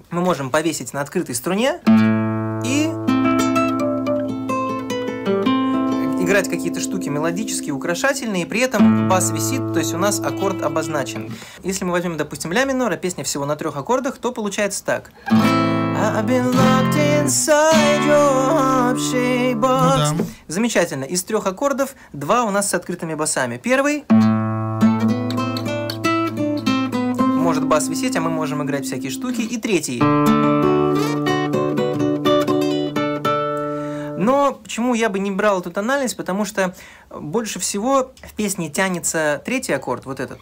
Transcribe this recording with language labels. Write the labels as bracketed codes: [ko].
[ru] Мы можем повесить на открытой струне и... играть какие-то штуки мелодические, украшательные, и при этом бас висит, то есть у нас аккорд обозначен. Если мы возьмем, допустим, ля минор, а песня всего на трех аккордах, то получается так. [en] I've been locked inside your heart-shaped box. [ru] Ну, да. Замечательно. Из трех аккордов два у нас с открытыми басами. Первый. Может бас висеть, а мы можем играть всякие штуки. И третий. Но почему я бы не брал эту тональность? Потому что больше всего в песне тянется третий аккорд, вот этот.